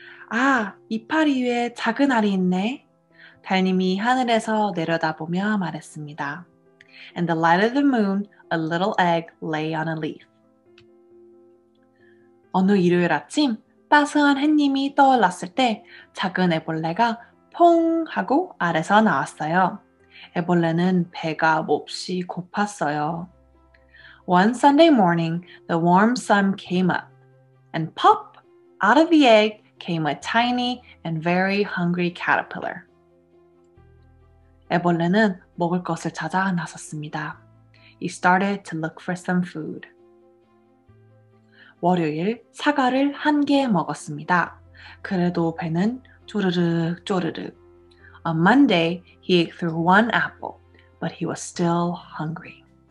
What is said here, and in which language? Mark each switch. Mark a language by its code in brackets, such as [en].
[ko] 아, 이파리 위에 작은 알이 있네. 달님이 하늘에서 내려다보며 말했습니다. [en] In the light of the moon, a little egg lay on a leaf. [ko] 어느 일요일 아침, 따스한 햇님이 떠올랐을 때 작은 애벌레가 퐁 하고 알에서 나왔어요. 애벌레는 배가 몹시 고팠어요. [en] One Sunday morning, the warm sun came up, and pop! Out of the egg came a tiny and very hungry caterpillar. [ko] 애벌레는 먹을 것을 찾아 나섰습니다. [en] He started to look for some food. [ko] 월요일, 사과를 한 개 먹었습니다. 그래도 배는 쪼르륵 쪼르륵. [en] On Monday, he ate through one apple, but he was still hungry.